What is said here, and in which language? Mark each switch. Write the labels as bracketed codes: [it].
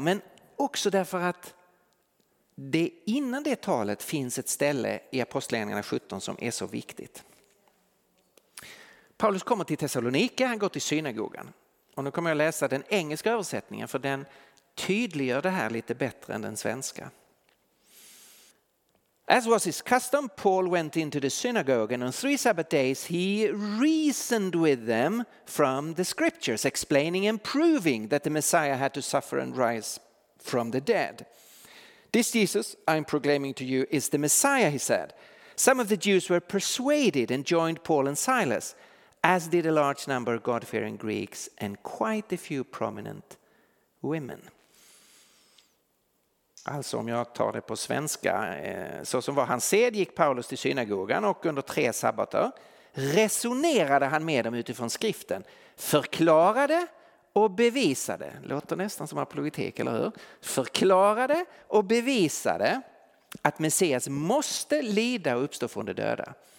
[sv] Men också därför att det innan det talet finns ett ställe i Apostlagärningarna 17 som är så viktigt. Paulus kommer till Thessalonika, han går till synagogan. Och nu kommer jag läsa den engelska översättningen, för den tydliggör det här lite bättre än den svenska. [en] As was his custom, Paul went into the synagogue and on three Sabbath days he reasoned with them from the scriptures, explaining and proving that the Messiah had to suffer and rise from the dead. This Jesus I am proclaiming to you is the Messiah, he said. Some of the Jews were persuaded and joined Paul and Silas, as did a large number of God-fearing Greeks and quite a few prominent women. [sv] Alltså om jag tar det på svenska, så som var han sed gick Paulus till synagogan och under tre sabbater resonerade han med dem utifrån skriften, förklarade och bevisade. Låter nästan som apologetik, eller hur? Förklarade och bevisade att Messias måste lida och uppstå från de döda.